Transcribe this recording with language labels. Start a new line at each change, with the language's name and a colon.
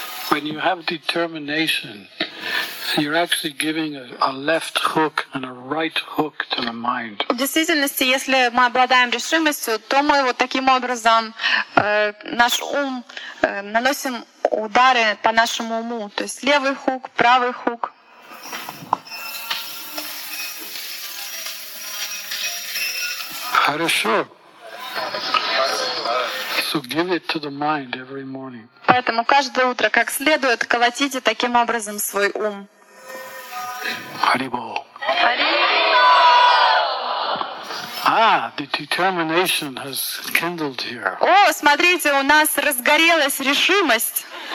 English: When you have determination, you're actually giving a left hook and a right hook to the mind.
Russian: В действительности, если мы обладаем решимостью, то мы вот таким образом наш ум наносим удары по нашему уму. То есть левый хук, правый хук. Хорошо.
English: So give it to the mind every morning.
Russian: Поэтому каждое утро, как следует, колотите таким образом свой ум. Харибол. Харибол!
English: The determination has kindled here.
Russian: О, смотрите, у нас разгорелась решимость.